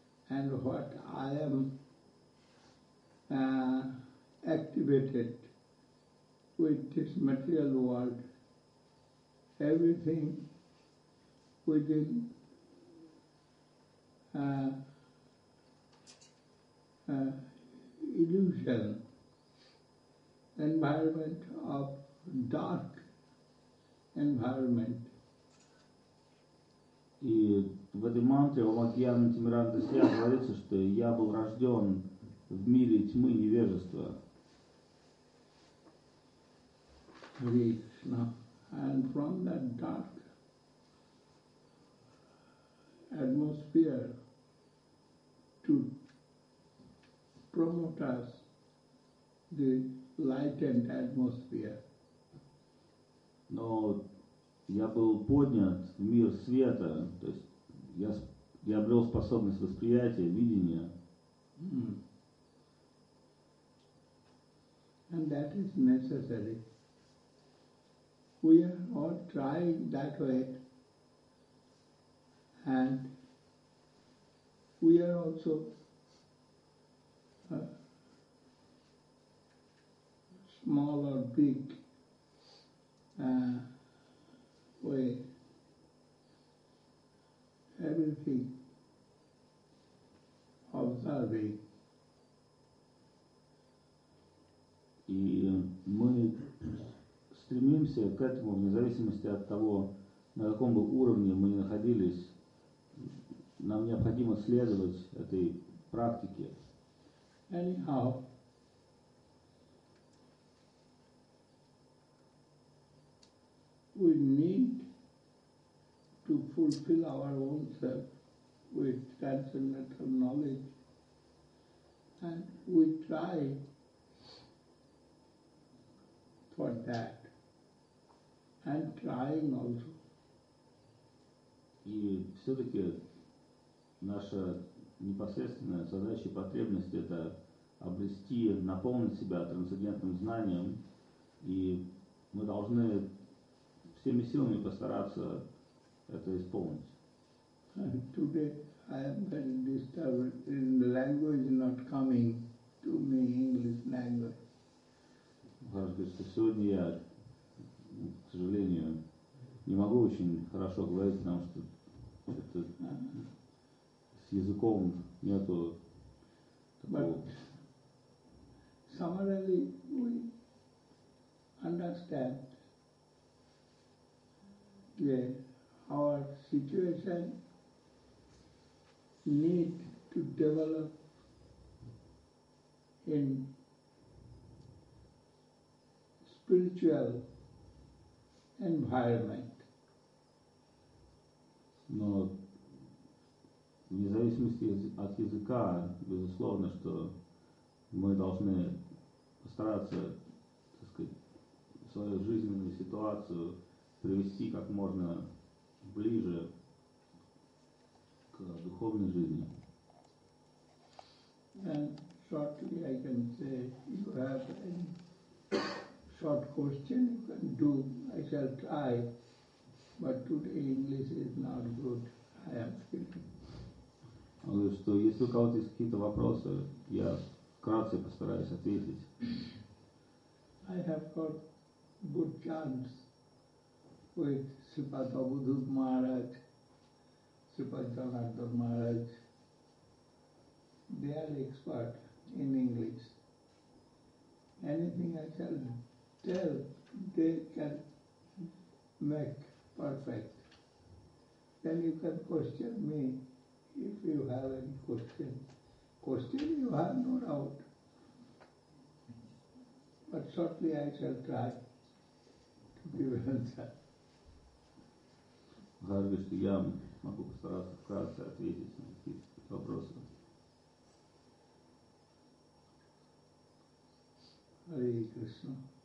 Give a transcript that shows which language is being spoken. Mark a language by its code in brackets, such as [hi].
[en] and what I am activated with this material world, everything within illusion, environment of dark environment. [ru] И в этой мантре о Макьяна Тимиранда Сия говорится, что я был рожден в мире тьмы и невежества. [en] Krishna. And from that dark atmosphere to promote us the lightened atmosphere. [ru] Но я был поднят в мир света, то есть я обрел способность восприятия, видения. [en] And that is necessary. We are all trying that way, and we are also small or big way. Everything observing. [ru] И мы стремимся к этому, вне зависимости от того, на каком бы уровне мы ни находились, нам необходимо следовать этой практике. [en] Anyhow, we need to fulfill our own self with transcendental knowledge, and we try for that, and trying also. [ru] И все-таки наша непосредственная задача и потребность – это обрести, наполнить себя трансцендентным знанием, и мы должны всеми силами постараться это исполнить. [en] Today I am very disturbed in the language not coming to me, English language. [ru] Хорошо, говорит, сегодня я, к сожалению, не могу очень хорошо говорить, потому что это с языком нету такого. [en] But summarily we understand that our situation need to develop in spiritual environment. [ru] Но вне зависимости от языка, безусловно, что мы должны постараться, так сказать, свою жизненную ситуацию привести как можно ближе к духовной жизни. [en] And shortly I can say, if you have any short question you can do, I shall try, but today English is not good, I am feeling. [ru] Он говорит, что если у кого-то есть какие-то вопросы, я вкратце постараюсь ответить. [en] I have got good chance with Sripada Budhut Maharaj, Sripada Janardhan Maharaj. They are expert in English. Anything I shall tell, they can make perfect. Then you can question me if you have any question. Question you have, no doubt. But shortly I shall try to give an answer. [ru] Разве что я могу постараться вкратце ответить на какие-то вопросы. [sa] Hare Krishna.